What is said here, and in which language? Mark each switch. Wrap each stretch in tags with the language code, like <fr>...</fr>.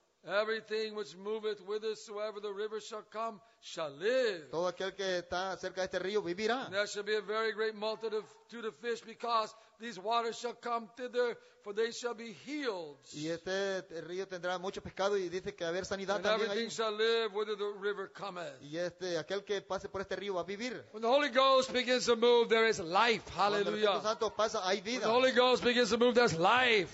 <en>Everything which moveth whithersoever the river shall come shall live.</en> <es>Todo aquel que está cerca de este río vivirá.</es> <en>And there shall be a very great multitude to the fish because these waters shall come thither for they shall be healed.</en> <es>Y este río tendrá mucho pescado y dice que haber sanidad</es> <en>and</en> <es>también allí.</es> <en>And everything shall live whither the river cometh.</en> <es>Y aquel que pase por este río va a vivir.</es> <en>When the Holy Ghost begins to move there is life. Hallelujah.</en> <es>Cuando el Espíritu Santo pasa hay vida.</es> <en>When the Holy Ghost begins to move there's life.</en>